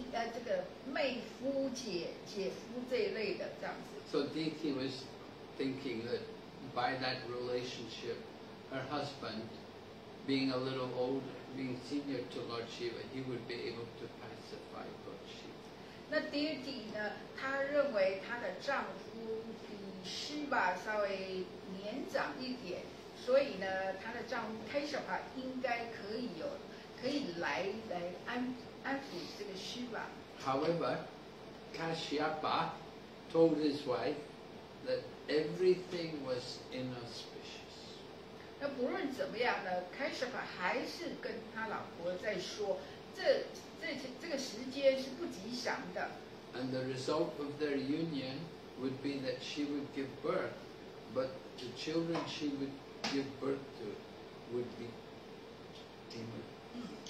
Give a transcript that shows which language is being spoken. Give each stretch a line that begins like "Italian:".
Chinese: 这个妹夫姐夫这一类的这样子。
English: So Diti was thinking that by that relationship, her husband, being a little older, being senior to Lord Shiva, he would be able to pacify Lord Shiva.
Chinese: 那 Diti 呢？她认为她的丈夫。是吧稍微年长一点，所以呢他的丈夫 Kashyapa 应该可以来安抚这个是吧。
English: However, Kashyapa told his wife that everything was inauspicious.
Chinese: 那不论怎么样呢，凯什法还是跟他老婆在说，这个时间是不吉祥的。
English: And the result of their union would be that she would give birth, but the children she would give birth to would be demons.